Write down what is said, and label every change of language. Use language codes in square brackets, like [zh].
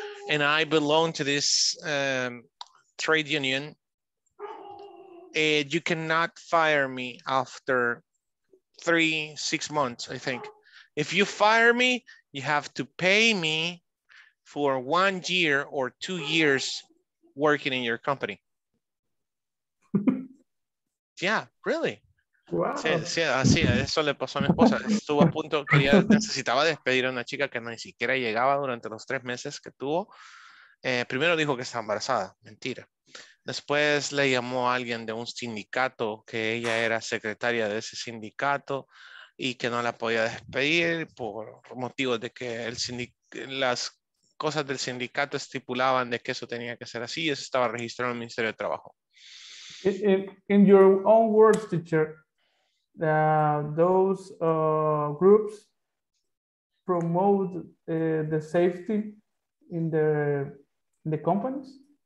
[en] and I belong to this trade union, and you cannot fire me after 3-6 months, I think. If you fire me, you have to pay me for 1 year or 2 years working in your company. Yeah, really. Wow. [es] Sí, sí, así, eso le pasó a mi esposa. Estuvo a punto, quería, necesitaba despedir a una chica que ni siquiera llegaba durante los 3 meses que tuvo. Primero dijo que estaba embarazada, mentira. Después le llamó a alguien de un sindicato, que ella era secretaria de ese sindicato y que no la podía despedir por motivos de que el las cosas del sindicato estipulaban de que eso tenía que ser así, y eso estaba registrado en el Ministerio de Trabajo. [en] In your own words, teacher, those groups promote the safety in the companies?